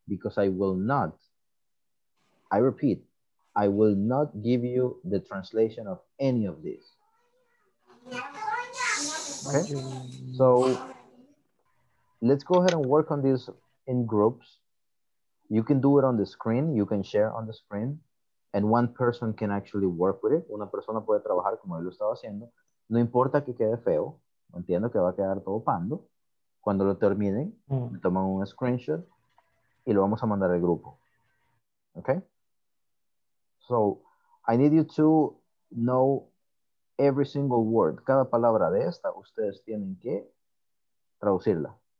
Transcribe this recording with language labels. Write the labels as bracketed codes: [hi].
[en] Because I will not give you the translation of any of these. Okay? So let's go ahead and work on this in groups. You can do it on the screen. You can share on the screen. And one person can actually work with it. [es] Una persona puede trabajar como él lo estaba haciendo. No importa que quede feo. Entiendo que va a quedar todo pando. Cuando lo terminen, me toman un screenshot y lo vamos a mandar al grupo. Okay? [en] So, I need you to know every single word. [es] Cada palabra de esta, ustedes tienen que traducirla.